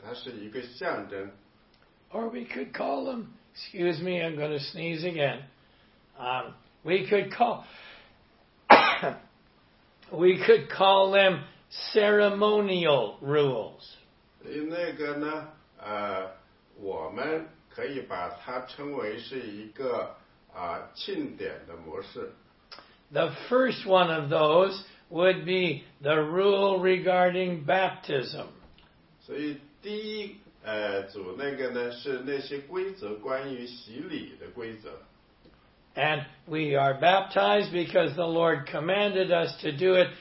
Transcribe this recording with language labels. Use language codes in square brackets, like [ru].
[zh] 所以呢，这是第三组规则呢，这就是可能是Linda问的那一组规则。这一组规则呢，就是一种象征性的规则，它是一个象征。 [en] Or we could call them, excuse me, I'm going to sneeze again. We could call them ceremonial rules. [zh] 所以那个呢，我们可以把它称为是一个庆典的模式。 [en] The first one of those would be the rule regarding baptism. [zh] 所以第一组那个呢，是那些规则关于洗礼的规则。 [en] And we are baptized because the Lord commanded us to do it.